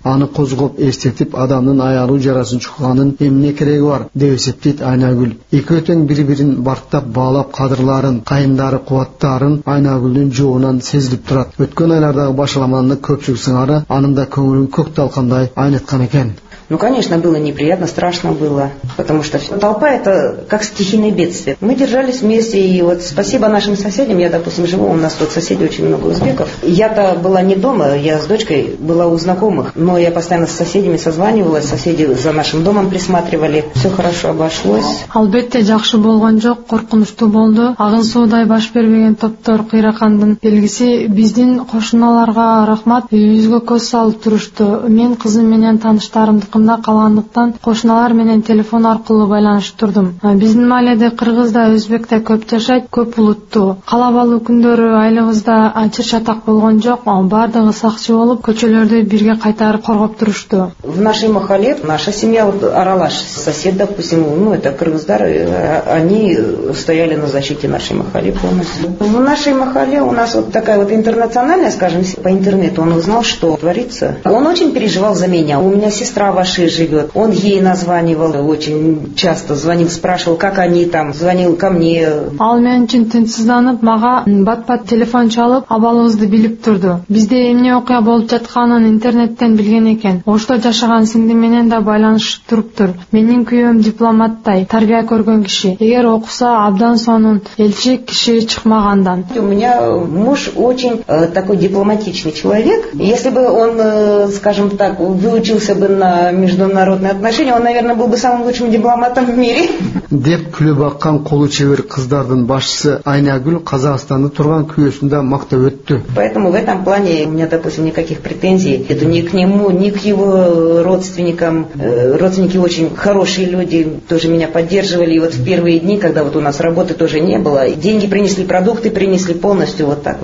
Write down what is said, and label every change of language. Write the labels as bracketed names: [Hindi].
[Kyrgyz] Аны козгоп эстетип, адамдын аялуу жарасын чукканын эмне кереги бар деп эсептейт Айнагүл. Экөө тең бири бирин барктап баалап, кадырларын, кайындары, кубаттарын Айнагүлдүн жоонунан сезилип турат. Өткөн айлардагы башаламанды көпчүлүк сыңары анын да көңүлүн көк талкандай айнаткан экен. [Russian] Ну, конечно, было неприятно, страшно было, потому что толпа — это как стихийное бедствие. Мы держались вместе, и вот спасибо нашим соседям. Я, допустим, живу, у нас тут соседей очень много узбеков. Я-то была не дома, я с дочкой была у знакомых, но я постоянно с соседями созванивалась, соседи за нашим домом присматривали. Все хорошо обошлось. [Kyrgyz] Албетте, жакшы болгон жок, коркунучтуу болду. Агын суудай баш бербеген топтор кыйракандын белгиси. Биздин кошуналарга рахмат, үйүбүзгө көз салып турушту. Мен кызым менен таныштарымдыкында калгандыктан кошуналар менен телефон аркылуу байланыштырдым. Биздин мааледе кыргыз да, өзбек да көп жашайт, көп улуттуу. Калабалуу күндөрү айлыбызда ачыр чатак болгон жок, бардыгы сакчы болуп көчөлөрдү бирге кайтарып коргоп турушту. [Russian] В нашей махале наша семья аралаш, сосед, допустим, ну это кыргыздар, они стояли на защите нашей махале полностью. В нашей махале у нас вот такая вот интернациональная, скажем, по интернету он узнал, что творится. Он очень переживал за меня. У меня сестра в Аши живет. Он ей названивал очень часто, звонил, спрашивал, как они там, звонил ко мне. [Kyrgyz] Ал мен үчүн тынчсызданып, мага бат-бат телефон чалып, абалыбызды билип турду. Бизде эмне окуя болуп жатканын интернеттен билген экен. Ошто жашаган сиңдим менен да байланышып туруптур. Менин күйөөм дипломаттай, тарбия көргөн киши. Эгер окуса, абдан сонун элчи киши чыкмагандан. [Russian] У меня муж очень такой дипломатичный человек. Если бы он, скажем так, выучился бы на международные отношения, он, наверное, был бы самым лучшим дипломатом в мире. [Kyrgyz] Деп күлүп аккан колу чевер кыздардын башчысы Айнагүл Казакстанда турган күйөөсүндө мактап өттү. [Russian] Поэтому в этом плане у меня, допустим, никаких претензий. Это ни к нему, ни к его родственникам. Родственники очень хорошие люди, тоже меня поддерживали. И вот в первые дни, когда вот у нас работы тоже не было, деньги принесли, продукты принесли полностью вот так.